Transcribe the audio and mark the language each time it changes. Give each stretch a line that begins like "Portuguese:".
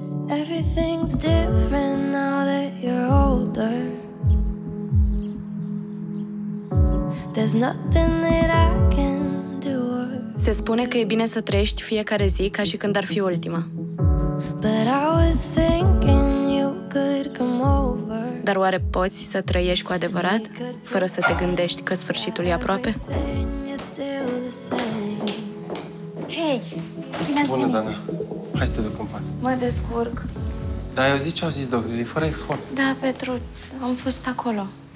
English: Everything's different now that you're older. There's nothing that I can do.
Romanian: Se spune că e bine să trăiești fiecare zi ca și când ar fi ultima.
English: But I was thinking you could come over.
Romanian: Dar oare poți să trăiești cu adevărat fără să te gândești că sfârșitul e aproape? Bună, Dana. Hai să te duc în pat. Mă descurc. Dar ai auzit ce au zis doctorii? Fără efort. Da, Petru, am fost acolo.